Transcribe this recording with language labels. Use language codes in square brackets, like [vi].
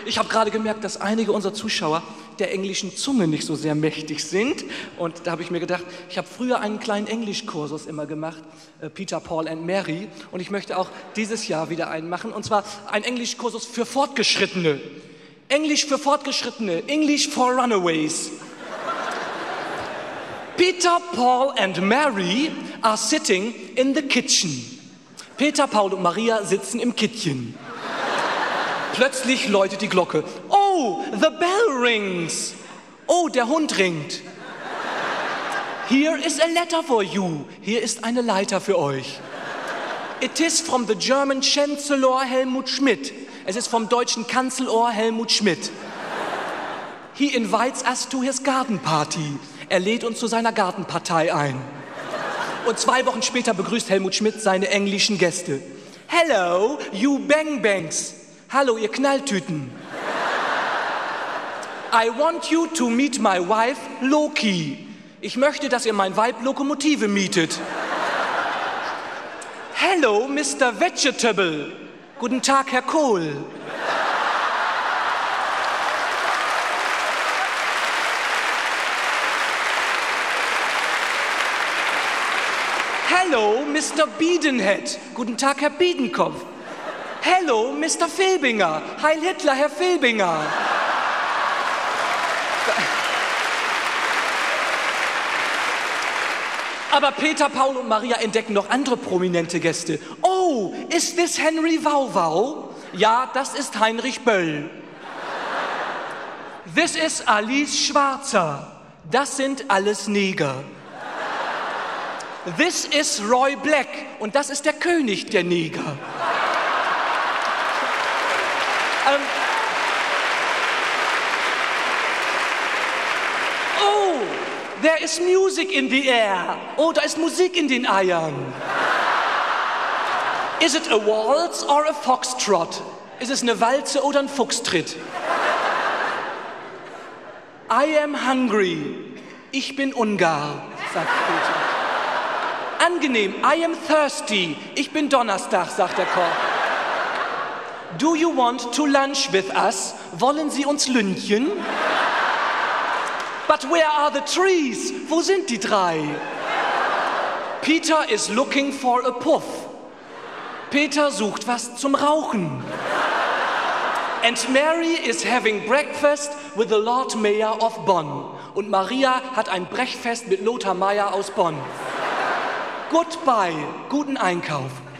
[de] Ich habe gerade gemerkt, dass einige unserer Zuschauer der englischen Zunge nicht so sehr mächtig sind. Und da habe ich mir gedacht, ich habe früher einen kleinen Englischkursus immer gemacht, Peter, Paul and Mary. Und ich möchte auch dieses Jahr wieder einen machen. Und zwar einen Englischkursus für Fortgeschrittene. Englisch für Fortgeschrittene. [en] English for Runaways. Peter, Paul and Mary are sitting in the kitchen. [de] Peter, Paul und Maria sitzen im Kittchen. Plötzlich läutet die Glocke. [en] Oh, the bell rings. Oh, [de] der Hund ringt. [en] Here is a letter for you. [de] Hier ist eine Leiter für euch. [en] It is from the German Chancellor Helmut Schmidt. [de] Es ist vom deutschen Kanzler Helmut Schmidt. [en] He invites us to his garden party. [de] Er lädt uns zu seiner Gartenpartei ein. Und zwei Wochen später begrüßt Helmut Schmidt seine englischen Gäste. [en] Hello, you bang-bangs. [de] Hallo, ihr Knalltüten. [en] I want you to meet my wife, Loki. [de] Ich möchte, dass ihr mein Weib Lokomotive mietet. [en] Hello, Mr. Vegetable. [de] Guten Tag, Herr Kohl. [en] Hello, Mr. Biedenhead. [de] Guten Tag, Herr Biedenkopf. [en] Hello, Mr. Filbinger. [de] Heil Hitler, Herr Filbinger. Aber Peter, Paul und Maria entdecken noch andere prominente Gäste. [en] Oh, is this Henry Wauwau? [de] Ja, das ist Heinrich Böll. [en] This is Alice Schwarzer. [de] Das sind alles Neger. [en] This is Roy Black. [de] Und das ist der König der Neger. [en] Oh, there is music in the air. [de] Oh, da ist Musik in den Eiern. [en] Is it a waltz or a foxtrot? [de] Ist es eine Walze oder ein Fuchstritt? [en] I am hungry. [de] Ich bin Ungar, sagt Peter. Angenehm, [en] I am thirsty. [de] Ich bin Donnerstag, sagt der Koch. [en] Do you want to lunch with us? [de] Wollen Sie uns lünchen? [en] But where are the trees? [de] Wo sind die drei? [en] Peter is looking for a puff. [de] Peter sucht was zum Rauchen. [en] And Mary is having breakfast with the Lord Mayor of Bonn. [de] Und Maria hat ein Brechfest mit Lothar Mayer aus Bonn. Goodbye, guten Einkauf.